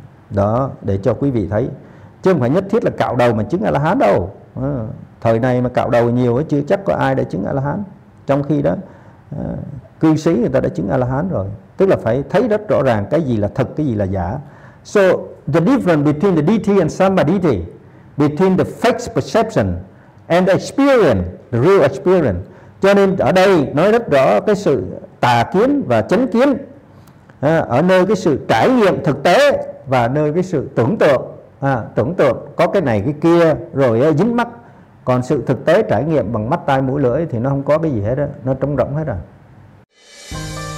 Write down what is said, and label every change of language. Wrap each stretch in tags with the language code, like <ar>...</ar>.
<vi>Đó, để cho quý vị thấy. Chứ không phải nhất thiết là cạo đầu mà chứng A-la-hán đâu. Thời này mà cạo đầu nhiều chứ chắc có ai đã chứng A-la-hán. Trong khi đó cư sĩ người ta đã chứng A-la-hán rồi. Tức là phải thấy rất rõ ràng cái gì là thật, cái gì là giả.</vi> <en>So the difference between the DT and Samadhi, between the fixed perception and the experience, the real experience.</en> <vi>Cho nên ở đây nói rất rõ cái sự tà kiến và chánh kiến, ở nơi cái sự trải nghiệm thực tế và nơi cái sự tưởng tượng. Tưởng tượng có cái này cái kia rồi dính mắc. Còn sự thực tế trải nghiệm bằng mắt tai mũi lưỡi thì nó không có cái gì hết á, nó trống rỗng hết rồi.</vi>